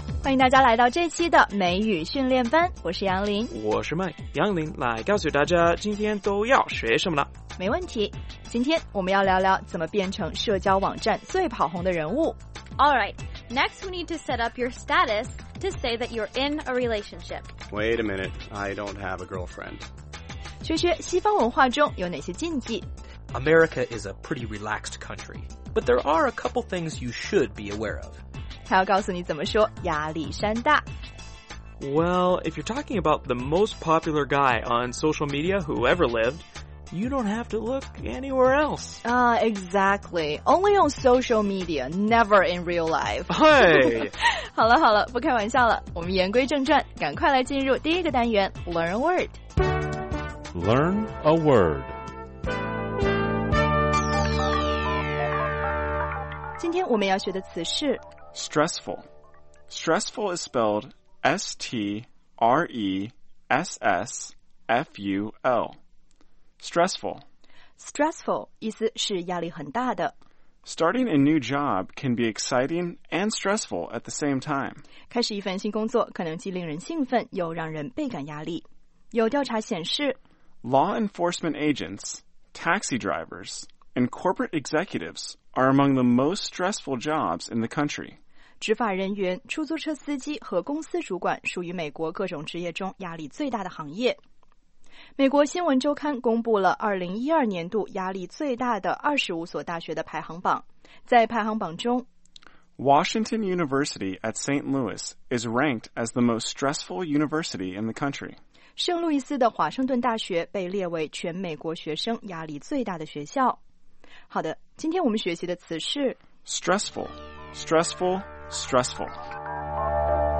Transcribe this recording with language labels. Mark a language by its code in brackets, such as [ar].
[zh] 迎大家来到这期的美语训练班，我是杨林，我是麦，杨林来告诉大家今天都要学什么了。没问题，今天我们要聊聊怎么变成社交网站最跑红的人物。 [en] Alright, next we need to set up your status to say that you're in a relationship. Wait a minute, I don't have a girlfriend. [zh] 学学西方文化中有哪些禁忌。 [en] America is a pretty relaxed country, but there are a couple things you should be aware of. [zh] 他要告诉你怎么说亚历山大。 [en] Well, if you're talking about the most popular guy on social media who ever lived, you don't have to look anywhere else. Exactly. Only on social media, never in real life. Hey! [zh] 好了好了，不开玩笑了，我们言归正传，赶快来进入第一个单元 Learn a Word. [en] Learn a Word. [zh] 今天我们要学的词是 [en] stressful. Stressful is spelled S-T-R-E-S-S-F-U-L. Stressful. [zh] Stressful 意思是压力很大的。 [en] Starting a new job can be exciting and stressful at the same time. [zh] 开始一份新工作可能既令人兴奋又让人倍感压力。有调查显示 [en] Law enforcement agents, taxi drivers, and corporate executives are among the most stressful jobs in the country. [zh] 执法人员、出租车司机和公司主管属于美国各种职业中压力最大的行业。美国新闻周刊公布了2012年度压力最大的25所大学的排行榜。在排行榜中 [en] Washington University at St. Louis is ranked as the most stressful university in the country. [zh] 圣路易斯的华盛顿大学被列为全美国学生压力最大的学校。好的，今天我们学习的词是 [en] stressful, stressful, stressful.